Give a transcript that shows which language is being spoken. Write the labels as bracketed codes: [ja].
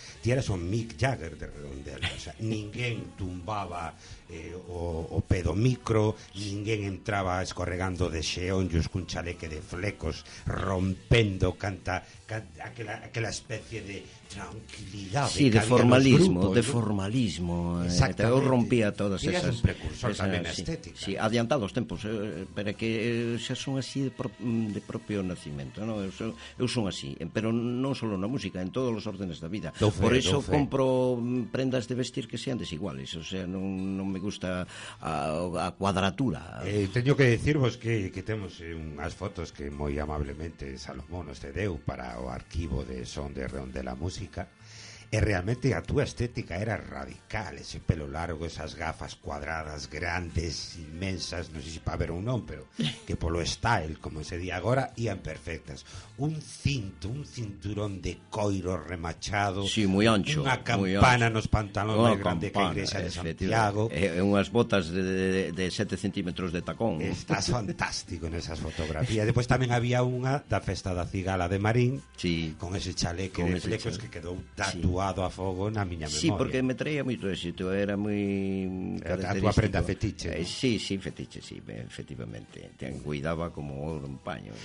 [gl] Ti eras un Mick Jagger de Redondela, o sea, ninguén tumbaba o pedo micro, ninguén entraba escorregando de xeonllos cun chaleque de flecos, rompendo aquela especie de tranquilidade. Sí, de formalismo. Exactamente. Eu rompía todas esas. Eras un precursor tamén estético. Sí, adiantado os tempos, pero que xa son así de propio nacimento, ¿no? Eu son así, pero non só na música, en todos os órdenes da vida. Por iso compro prendas de vestir [es] que sean desiguales, o sea, [gl] non me gusta a cuadratura. Teño que decirvos que temos unhas fotos que moi amablemente Salomón nos cedeu para o arquivo de Son de Redondela Música. E realmente a túa estética era radical, ese pelo largo, esas gafas cuadradas, grandes, inmensas, non sei se para ver ou non, pero que polo style, como se di agora, ían perfectas. Un cinturón de coiro remachado, [es] sí, muy ancho, [gl] unha campana nos pantalones grande campana, que a Igrexa de Santiago. Unhas botas de 7 centímetros de tacón. [es] Estás fantástico en esas fotografías. [gl] Después tamén había unha da Festa da Cigala de Marín, sí, con ese chaleque de flecos que quedou tanto. Tatuado a fogo na miña memoria. Sí, porque me traía moito éxito, era moi característico. Era a tua prenda fetiche, ¿no? Sí, fetiche, efectivamente. Te cuidaba como ouro en paño.